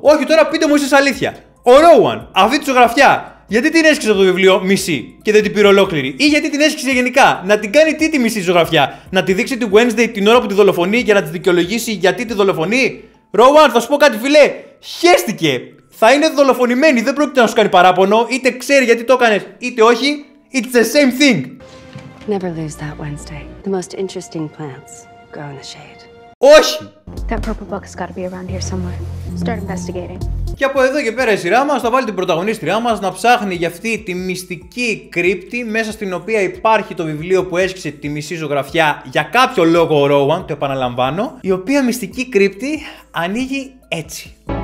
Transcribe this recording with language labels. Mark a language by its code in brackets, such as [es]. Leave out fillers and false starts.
[el] Όχι τώρα πείτε μου εσείς αλήθεια, ο Rowan αυτή τη ζωγραφιά γιατί την έσκησε από το βιβλίο μισή και δεν την πήρε ολόκληρη, ή γιατί την έσκησε γενικά, να την κάνει τι τη μισή ζωγραφιά, να τη δείξει τη Wednesday την ώρα που τη δολοφονεί για να τη δικαιολογήσει γιατί τη δολοφονεί? Rowan, θα σου πω κάτι φιλέ, χέστηκε, θα είναι δολοφονημένη, δεν πρόκειται να σου κάνει παράπονο, είτε ξέρει γιατί το έκανες, είτε όχι, [en] it's the same thing. Never lose that Wednesday. The most interesting plants grow in the shade. [el] Όχι! [en] That purple book has got to be around here somewhere. Start investigating. [el] Και από εδώ και πέρα η σειρά μας θα βάλει την πρωταγωνίστριά μας να ψάχνει για αυτή τη μυστική κρύπτη μέσα στην οποία υπάρχει το βιβλίο που έσκησε τη μισή ζωγραφιά για κάποιο λόγο ο Rowan, το επαναλαμβάνω, η οποία μυστική κρύπτη ανοίγει έτσι.